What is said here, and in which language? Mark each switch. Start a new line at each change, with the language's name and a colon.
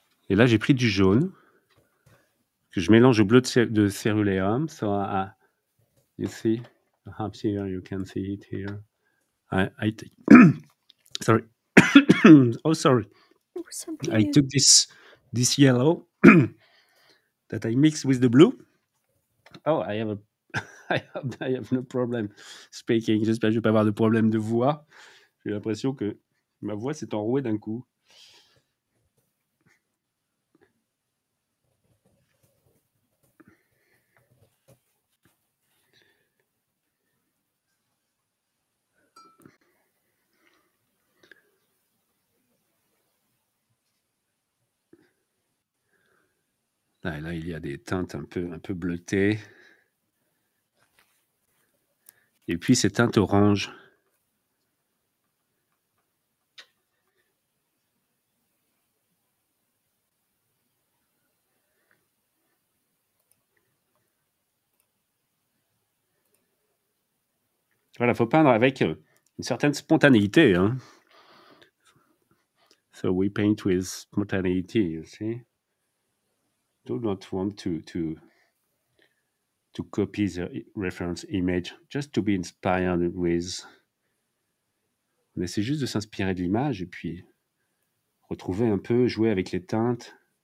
French: Et là, j'ai pris du jaune que je mélange au bleu de ceruléum.
English: So, you see, perhaps here you can see it here. sorry. Oh, sorry. Something I took this yellow that I mixed with the blue. Oh, I have no problem speaking.
French: J'espère que je vais pas avoir de problème de voix. J'ai l'impression que ma voix s'est enrouée d'un coup. Là, il y a des teintes un peu bleutées. Et puis, ces teintes orange. Voilà, il faut peindre avec une certaine spontanéité. Hein.
English: So, we paint with spontaneity, you see. Do not want to copy the reference image, just to be inspired with.
French: On essaie juste de s'inspirer de l'image et puis retrouver un peu, jouer avec les teintes.